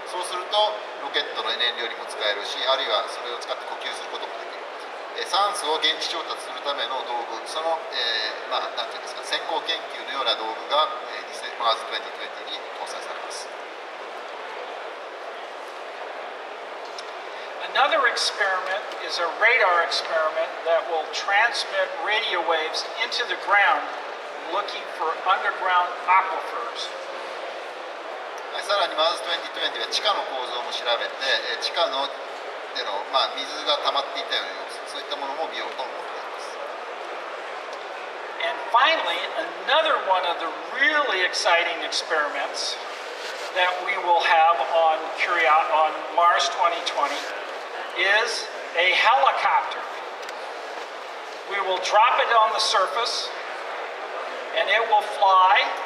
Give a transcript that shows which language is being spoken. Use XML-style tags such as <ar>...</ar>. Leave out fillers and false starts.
<ja>そうするとロケットの燃料にも使えるし、あるいはそれを使って呼吸することもできる。酸素を現地調達するための道具、その、まあ、なんていうんですか、先行研究のような道具が、Mars 2020に搭載されます。</ja> <en>Another experiment is a radar experiment that will transmit radio waves into the ground looking for underground aquifers.</en> <ja>さらに Mars 2020は地下の構造も調べて、地下の、水が溜まっていたような様子、そういったものも見ようと思っています。</ja> <en>And finally, another one of the really exciting experiments that we will have on Mars 2020 is a helicopter. We will drop it on the surface, and it will fly.</en>